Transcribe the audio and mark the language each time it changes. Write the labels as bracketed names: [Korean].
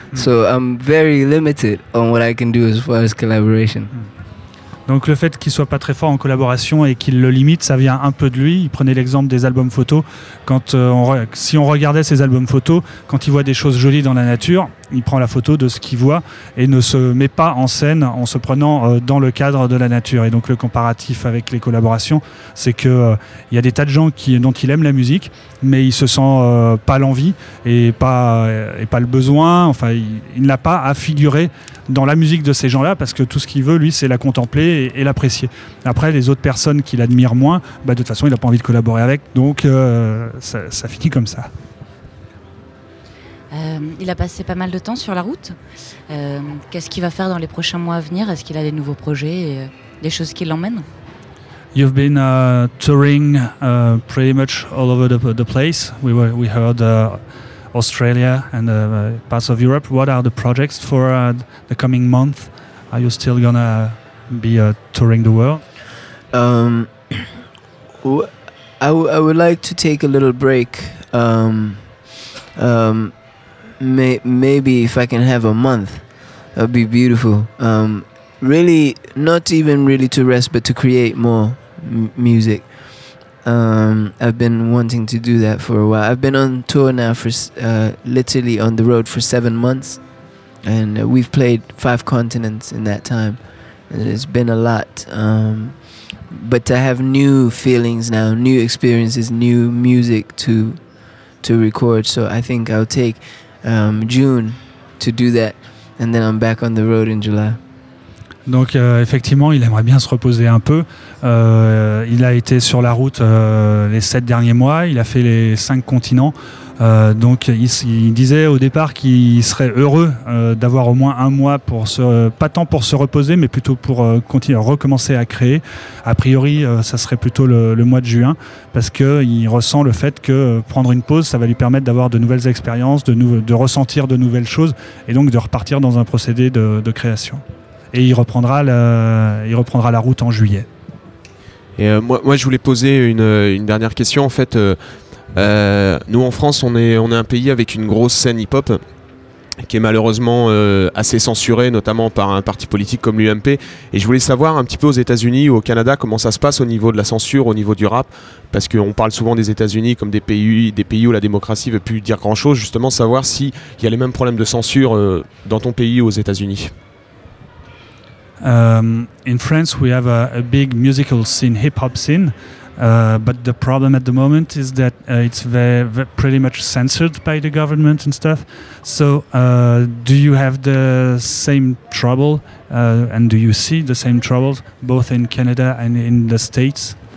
[English] So I'm very limited on what I can do as far as collaboration. [French] Donc le fait qu'il soit pas très fort en collaboration et qu'il le limite, ça vient un peu de lui. Il prenait l'exemple des albums photos. Si on regardait ses albums photos, quand il voit des choses jolies dans la nature, il prend la photo de ce qu'il voit et ne se met pas en scène en se prenant dans le cadre de la nature. Et donc le comparatif avec les collaborations, c'est que il y a des tas de gens dont il aime la musique, mais il se sent pas l'envie et pas le besoin. Enfin, il n'a pas à figurer dans la musique de ces gens-là, parce que tout ce qu'il veut, lui, c'est la contempler et l'apprécier. Après, les autres personnes qu'il admire moins, bah, de toute façon, il n'a pas envie de collaborer avec. Donc, ça finit comme ça. Il a passé pas mal de temps sur la route. Qu'est-ce qu'il va faire dans les prochains mois à venir ? Est-ce qu'il a des nouveaux projets et des choses qui l'emmènent ? [English] You've been touring pretty much all over the place. We heard Australia and parts of Europe. What are the projects for the coming month? Are you still gonna be touring the world? I would like to take a little break. Maybe if I can have a month, that'd be beautiful. Really, not even really to rest, but to create more music. I've been wanting to do that for a while. I've been on tour now for literally on the road for 7 months, and we've played 5 continents in that time, and it's been a lot. But I have new feelings now, new experiences, new music to record. So I think I'll take June to do that, and then I'm back on the road in July. [French] Donc effectivement, il aimerait bien se reposer un peu. Il a été sur la route les 7 derniers mois, il a fait les 5 continents. Donc il disait au départ qu'il serait heureux d'avoir au moins un mois pour pas tant pour se reposer, mais plutôt pour continuer, recommencer à créer. A priori, ça serait plutôt le mois de juin, parce qu'il ressent le fait que prendre une pause, ça va lui permettre d'avoir de nouvelles expériences, de ressentir de nouvelles choses, et donc de repartir dans un procédé de création. Et il reprendra la route en juillet. Et moi je voulais poser une dernière question. En fait, nous en France, on est un pays avec une grosse scène hip-hop qui est malheureusement assez censurée, notamment par un parti politique comme l'UMP. Et je voulais savoir un petit peu aux États-Unis ou au Canada comment ça se passe au niveau de la censure, au niveau du rap, parce qu'on parle souvent des États-Unis comme des pays où la démocratie ne veut plus dire grand-chose. Justement, savoir s'il y a les mêmes problèmes de censure dans ton pays ou aux États-Unis. [English] In France, we have a big musical scene, hip-hop scene, but the problem at the moment is that it's very pretty much censored by the government and stuff. So do you have the same trouble and do you see the same troubles both in Canada and in the States?